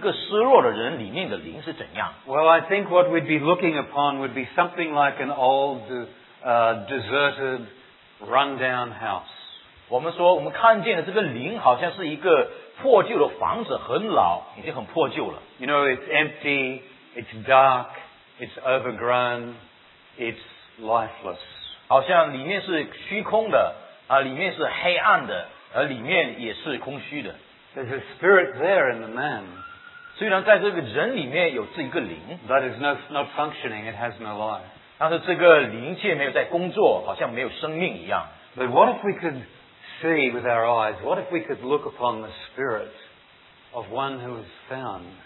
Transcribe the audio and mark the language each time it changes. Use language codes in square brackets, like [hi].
[zh] 那我们若是能够看见这一个失落的人里面的灵是怎样？ [en] Well, I think what we'd be looking upon would be something like an old, deserted, run-down house. [zh] 我们说我们看见的这个灵好像是一个 破旧的房子很老，已经很破旧了。 [en] You know, it's empty, it's dark, it's overgrown, it's lifeless. [zh] 好像里面是虚空的，里面是黑暗的，而里面也是空虚的。 [en] There's a spirit there in the man. [zh] 虽然在这个人里面有这一个灵， [en] but it's not functioning, it has no life. [zh] 但是这个灵却没有在工作，好像没有生命一样。 [en] But what if we could see with our eyes, what if we could look upon the spirit of one who is found?